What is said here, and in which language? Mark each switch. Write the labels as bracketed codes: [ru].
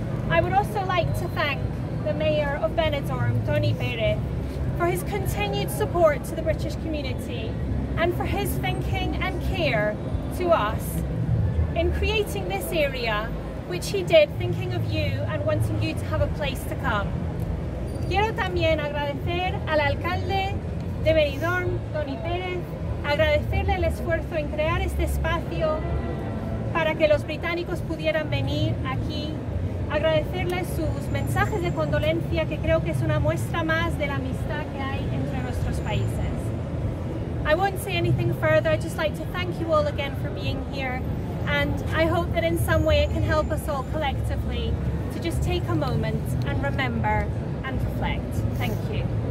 [en] I would also like to thank the Mayor of Benidorm, Tony Pérez, for his continued support to the British community and for his thinking and care to us in creating this area, which he did thinking of you and wanting you to have a place to come. [es] Quiero también agradecer al alcalde de Benidorm, Tony Pérez, agradecerle el esfuerzo en crear este espacio para que los británicos pudieran venir aquí, agradecerle sus mensajes de condolencia, que creo que es una muestra más de la amistad que hay entre nuestros países. [en] I won't say anything further, I'd just like to thank you all again for being here. And I hope that in some way it can help us all collectively to just take a moment and remember and reflect. Thank you.